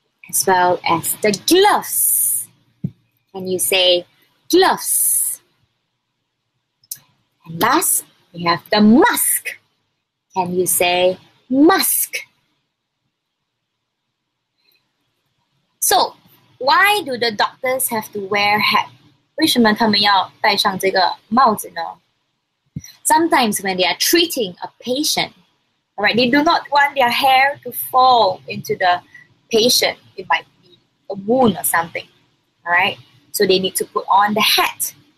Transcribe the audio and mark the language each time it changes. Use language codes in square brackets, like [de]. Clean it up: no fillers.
[en] As well as the gloves. Can you say gloves? And last, we have the mask. Can you say mask? So, why do the doctors have to wear hat? [zh] 为什么他们要戴上这个帽子呢? [en] Sometimes when they are treating a patient, all right, they do not want their hair to fall into the patient. It might be a wound or something, all right? So they need to put on the hat.